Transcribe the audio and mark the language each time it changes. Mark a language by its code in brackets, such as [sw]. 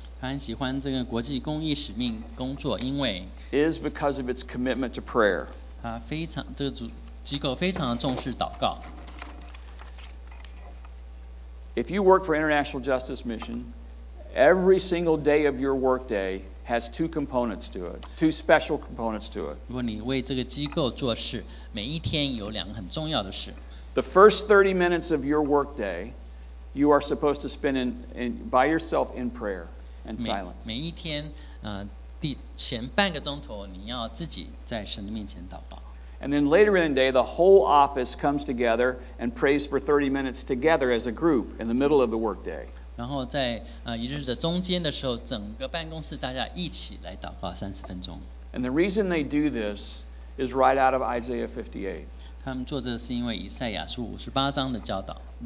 [zh] 他很喜欢这个国际公益使命工作，因为 [en] is because of its commitment to prayer. [zh] 他非常这个组。机构非常重视祷告。 [en] If you work for International Justice Mission, every single day of your workday has two components to it, two special components to it. [zh] 如果你为这个机构做事，每一天有两个很重要的事。 [en] The first 30 minutes of your workday, you are supposed to spend in by yourself in prayer and silence. [zh] 每一天，第前半个钟头，你要自己在神的面前祷告。 [en] And then later in the day, the whole office comes together and prays for 30 minutes together as a group in the middle of the workday. [zh] 然后在一日的中间的时候，整个办公室大家一起来祷告三十分钟。 [en] And the reason they do this is right out of Isaiah 58. [zh] 他们做这是因为以赛亚书五十八章的教导。